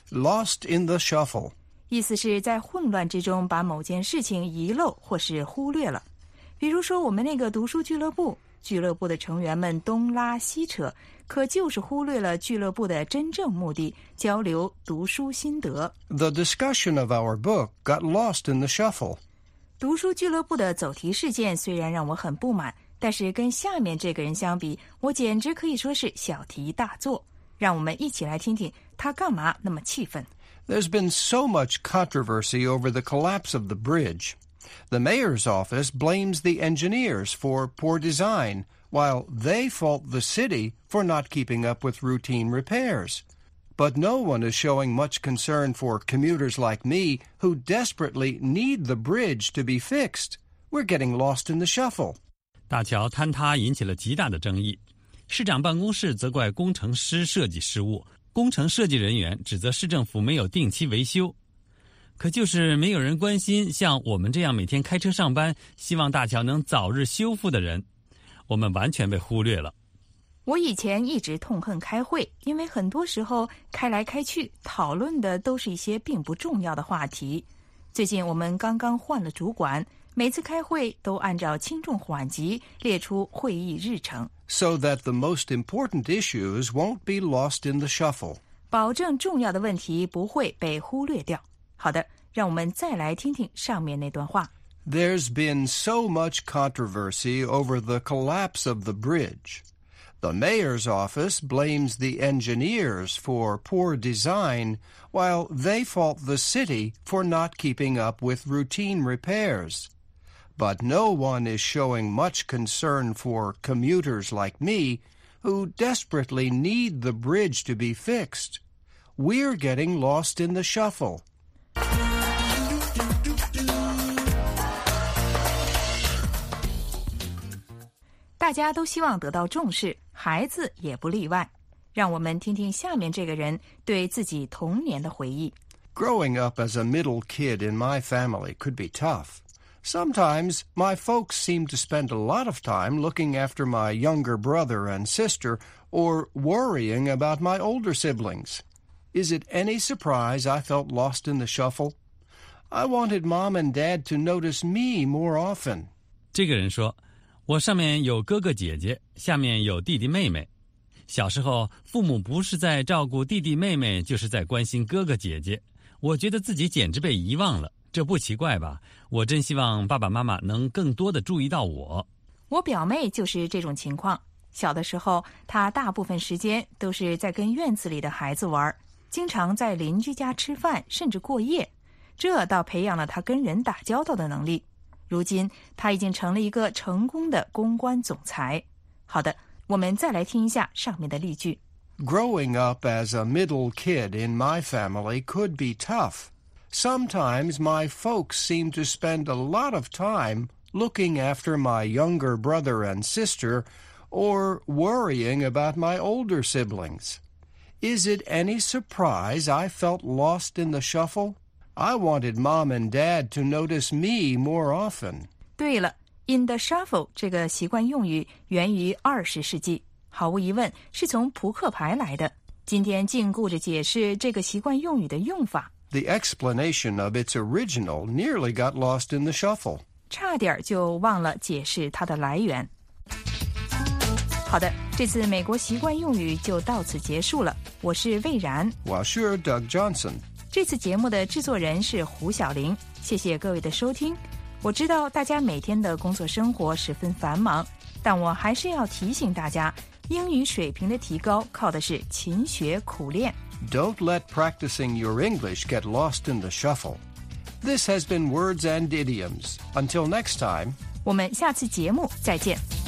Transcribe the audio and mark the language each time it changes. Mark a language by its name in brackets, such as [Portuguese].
[English] Lost in the shuffle， [Chinese] 意思是在混乱之中把某件事情遗漏或是忽略了。比如说我们那个读书俱乐部，俱乐部的成员们东拉西扯，可就是忽略了俱乐部的真正目的，交流读书心得。 [English] The discussion of our book got lost in the shuffle。 [Chinese] 读书俱乐部的走题事件虽然让我很不满，但是跟下面这个人相比，我简直可以说是小题大做。让我们一起来听听他干嘛那么气愤。 [English] There's been so much controversy over the collapse of the bridge. The mayor's office blames the engineers for poor design, while they fault the city for not keeping up with routine repairs. But no one is showing much concern for commuters like me who desperately need the bridge to be fixed. We're getting lost in the shuffle. [Chinese] 大桥坍塌引起了极大的争议，市长办公室责怪工程师设计失误，工程设计人员指责市政府没有定期维修，可就是没有人关心像我们这样每天开车上班，希望大桥能早日修复的人，我们完全被忽略了。我以前一直痛恨开会，因为很多时候开来开去，讨论的都是一些并不重要的话题。最近我们刚刚换了主管，每次开会都按照轻重缓急列出会议日程。 [English] So that the most important issues won't be lost in the shuffle. [Chinese] 保证重要的问题不会被忽略掉。好的，让我们再来听听上面那段话。 [English] There's been so much controversy over the collapse of the bridge. The mayor's office blames the engineers for poor design, while they fault the city for not keeping up with routine repairs. But no one is showing much concern for commuters like me, who desperately need the bridge to be fixed. We're getting lost in the shuffle. [Chinese] 大家都希望得到重视，孩子也不例外。让我们听听下面这个人对自己童年的回忆。 [English] Growing up as a middle kid in my family could be tough. Sometimes my folks seemed to spend a lot of time looking after my younger brother and sister or worrying about my older siblings. Is it any surprise I felt lost in the shuffle? I wanted mom and dad to notice me more often. [Chinese] 这个人说我上面有哥哥姐姐，下面有弟弟妹妹。小时候，父母不是在照顾弟弟妹妹，就是在关心哥哥姐姐。我觉得自己简直被遗忘了，这不奇怪吧？我真希望爸爸妈妈能更多的注意到我。我表妹就是这种情况。小的时候，她大部分时间都是在跟院子里的孩子玩，经常在邻居家吃饭，甚至过夜。这倒培养了她跟人打交道的能力。如今他已经成了一个成功的公关总裁。好的，我们再来听一下上面的例句。 [English] Growing up as a middle kid in my family could be tough. Sometimes my folks seem to spend a lot of time looking after my younger brother and sister or worrying about my older siblings. Is it any surprise I felt lost in the shuffle? I wanted mom and dad to notice me more often. [Chinese] 对了 ,in the shuffle 这个习惯用语源于20世纪,毫无疑问是从扑克牌来的。今天尽顾着解释这个习惯用语的用法。 [English] The explanation of its original nearly got lost in the shuffle. [Chinese] 差点就忘了解释它的来源。好的,这次美国习惯用语就到此结束了。我是魏然。 [English] Well, sure, Doug Johnson. [Chinese] 这次节目的制作人是胡晓玲，谢谢各位的收听。我知道大家每天的工作生活十分繁忙，但我还是要提醒大家，英语水平的提高靠的是勤学苦练。 [English] Don't let practicing your English get lost in the shuffle. This has been Words and Idioms. Until next time. [Chinese] 我们下次节目再见。